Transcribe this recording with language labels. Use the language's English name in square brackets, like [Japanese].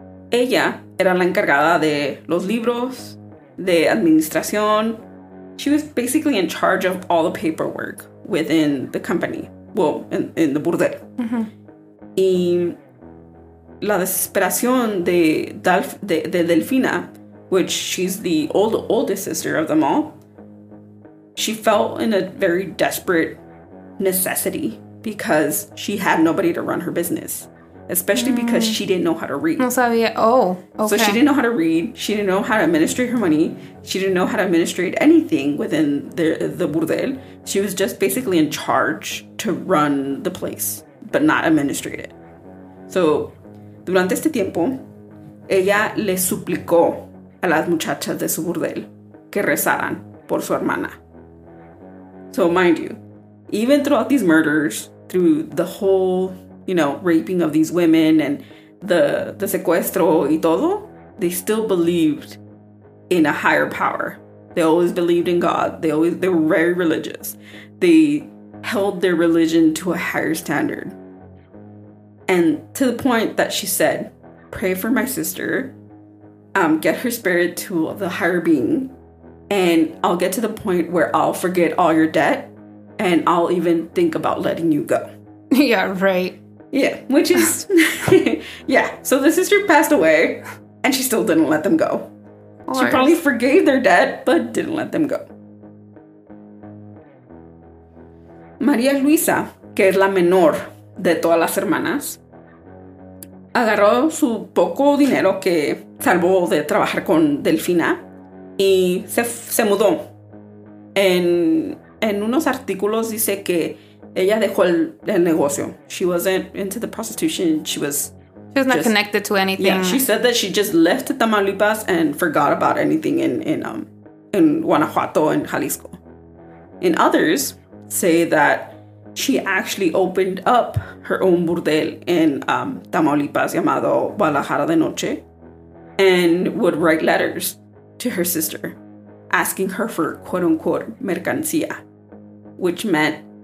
[Spanish] Ella era la encargada de los libros, de administración. [English] She was basically in charge of all the paperwork within the company. Well, in the burdel. [Spanish] Y la desesperación de Delfina, [English] which she's the oldest sister of them all, she felt in a very desperate necessity because she had nobody to run her business, especially because she didn't know how to read. [Spanish] No sabía. [English] Oh, okay. So she didn't know how to read. She didn't know how to administrate her money. She didn't know how to administrate anything within the burdel. She was just basically in charge to run the place, but not administrate it. [Spanish] So durante este tiempo, ella le suplicó a las muchachas de su burdel que rezaran por su hermana. [English] So, mind you, even throughout these murders, through the whole, you know, raping of these women and the secuestro [Spanish] y todo, [English] they still believed in a higher power. They always believed in God. They were very religious. They held their religion to a higher standard. And to the point that she said, pray for my sister, get her spirit to the higher being, and I'll get to the point where I'll forget all your debt and I'll even think about letting you go. Yeah, right. Yeah, which is... yeah, so the sister passed away and she still didn't let them go. She probably forgave their debt, but didn't let them go. [Spanish] María Luisa, que es la menor de todas las hermanas, agarró su poco dinero que salvó de trabajar con Delfina y se mudó. En unos artículos dice que ella dejó el negocio. [English] She wasn't into the prostitution. She was not connected to anything. Yeah, she said that she just left Tamaulipas and forgot about anything in Guanajuato and Jalisco. And others say that she actually opened up her own burdel in Tamaulipas llamado Guadalajara de Noche and would write letters to her sister, asking her for quote-unquote mercancía, which meant